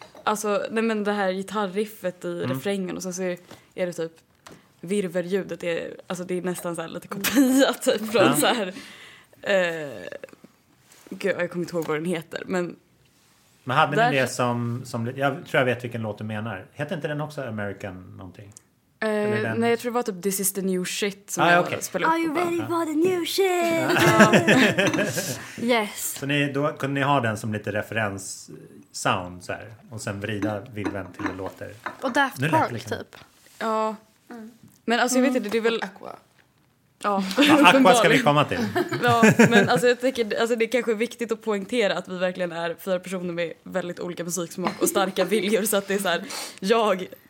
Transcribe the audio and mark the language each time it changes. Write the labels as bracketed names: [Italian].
[Swedish] Alltså, nej men det här gitarrriffet i refrängen och sen så är det typ virverljudet, är, alltså det är nästan så här lite kopia typ från så här, gud, jag kommer inte ihåg vad den heter. Men hade där, ni det som, jag tror jag vet vilken låt du menar. Heter inte den också American någonting? Nej, jag tror det var typ This is the new shit som jag spelade upp. [English] Are you ready for the new shit? Yes. [Swedish] Så ni, då kunde ni ha den som lite referens sound så här, och sen vrida vilven till det låter. Och Daft Punk liksom. Typ. Ja. Men alltså jag vet inte, det är väl... Aqua. Ja. Aqua ska vi komma till. Ja, men alltså jag tycker alltså, det är kanske viktigt att poängtera att vi verkligen är fyra personer med väldigt olika musiksmak och starka viljor, så att det är så här, jag...